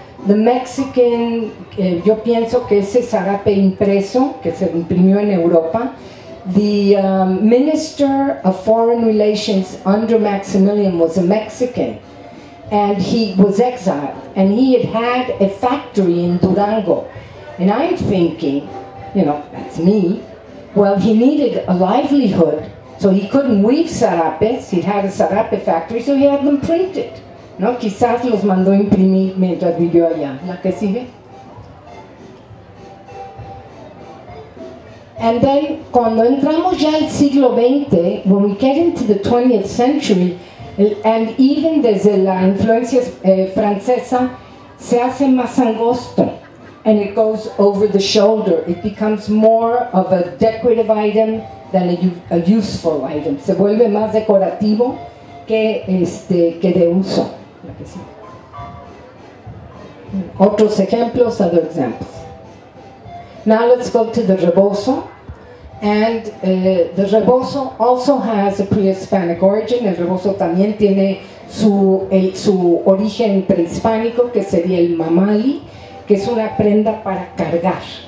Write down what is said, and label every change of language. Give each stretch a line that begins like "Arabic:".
English: the Mexican,
Spanish: yo pienso que ese sarape impreso, que se imprimió en Europa,
English: the Minister of Foreign Relations under Maximilian was a Mexican, and he was exiled, and he had a factory in Durango. And I'm thinking, you know, that's me, well, he needed a livelihood, so he couldn't weave sarapes, he had a sarape factory, so he had them printed.
Spanish: No, quizás los mandó imprimir mientras vivió allá. ¿La que sigue?
English: And then,
Spanish: cuando entramos ya al siglo XX,
English: when we get into the 20th century, and even
Spanish: desde la influencia francesa, se hace más angosto,
English: and it goes over the shoulder. It becomes more of a decorative item than a useful item.
Spanish: Se vuelve más decorativo que de uso. Otros ejemplos,
English: other examples. Now let's go to the rebozo. And the rebozo also has a pre-Hispanic origin.
Spanish: El rebozo también tiene su origen prehispánico, que sería el mamali, que es una prenda para cargar.